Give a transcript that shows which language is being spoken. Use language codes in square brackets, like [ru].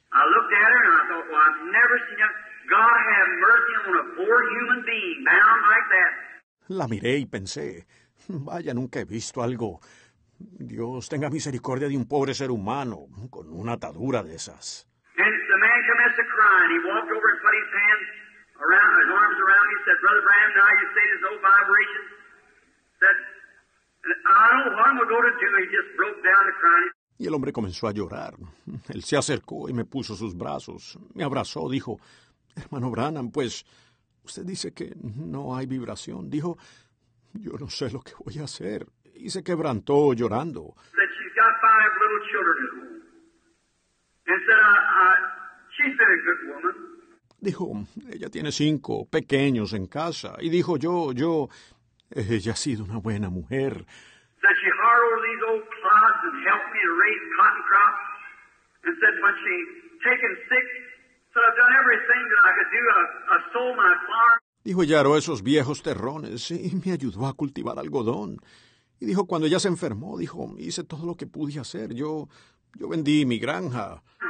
[en] I looked at her and I thought, well, I've never seen her. God have mercy on a poor human being bound like that. [es] La miré y pensé, vaya, nunca he visto algo. Dios tenga misericordia de un pobre ser humano con una atadura de esas. [en] And the man commenced to cry and he walked over and put his hands around, his arms around me, said, Brother Branham, now you say there's no vibration. Said, I don't know what I'm going to do. He just broke down to crying. [es] Y el hombre comenzó a llorar. Él se acercó y me puso sus brazos. Me abrazó, dijo, hermano Branham, pues usted dice que no hay vibración. Dijo, yo no sé lo que voy a hacer. Y se quebrantó llorando. [en] That she's got 5 little children at home. And said, she's been a good woman. [es] Dijo, ella tiene 5 pequeños en casa. Y dijo, yo, ella ha sido una buena mujer. [en] That she harrowed these old clods and helped me to raise cotton crops. And said, when she taken sick, said, I've done everything that I could do. I sold my farm. [es] Dijo, ella aró esos viejos terrones y me ayudó a cultivar algodón. Y dijo, cuando ella se enfermó, dijo, hice todo lo que pude hacer. Yo vendí mi granja.